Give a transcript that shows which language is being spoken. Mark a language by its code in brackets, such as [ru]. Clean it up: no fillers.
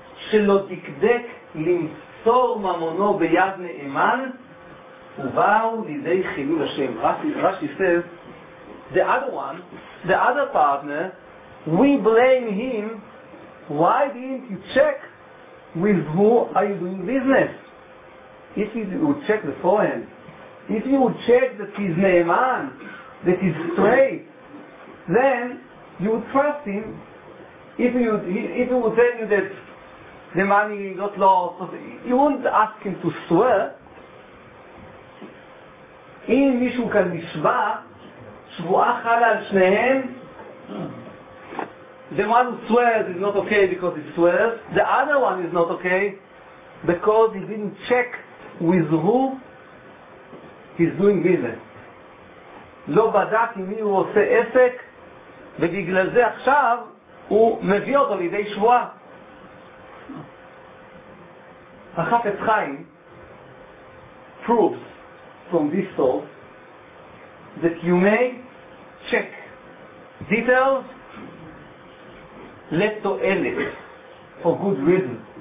[he] שלא דקדק למסור ממונו ביד נאמן ובאו לידי חילול השם. [en] Rashi says, the other one, the other partner, we blame him, why didn't you check with who are you doing business? If you would check beforehand, if you would check that he's Ne'eman, that he's straight, then you would trust him. If he would tell you that the money got lost, you wouldn't ask him to swear. [he] אם מישהו כאן נשבע, שבועה חלה על שניהם, [en] the one who swears is not okay because he swears. The other one is not okay because he didn't check with who he's doing business. [he] לא בדק עם מי הוא עושה עסק, ובגלל זה עכשיו הוא מביא אותו לידי שבועה. [en] החפץ חיים proves from this source that you may check details [he] לטו אלף, [en] for good reason.